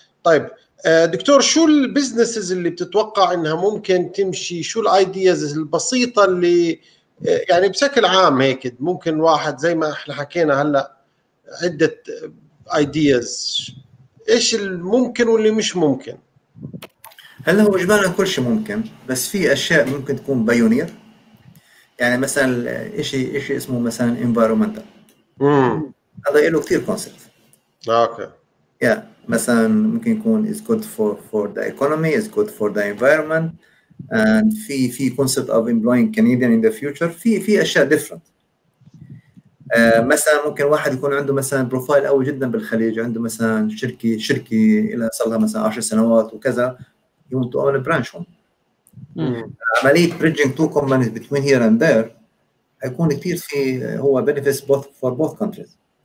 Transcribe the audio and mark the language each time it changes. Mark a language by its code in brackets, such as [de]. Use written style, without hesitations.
[ar] طيب دكتور، شو البزنسز اللي بتتوقع إنها ممكن تمشي؟ شو الأيدياز البسيطة اللي يعني بشكل عام هيك ممكن واحد زي ما إحنا حكينا هلأ عدة ideas، ايش الممكن واللي مش ممكن؟ هلا هو اجمالا كل شيء ممكن، بس في اشياء ممكن تكون بايونير، يعني مثلا شيء اسمه مثلا انفايرومنتال. هذا له كثير كونسبت. اوكي. يا مثلا ممكن يكون [en] is good for the economy, is good for the environment, and في concept of employing Canadian in the future. [ar] في اشياء different. مثلا ممكن واحد يكون عنده مثلا بروفايل قوي جدا بالخليج، عنده مثلا شركه لها صار لها مثلا 10 سنوات وكذا، يمكن [en] تو اون برانش [ar] هون. [en] عمليه bridging to companies between here and there [ar] حيكون كثير، في هو [en] Benefits both for both countries.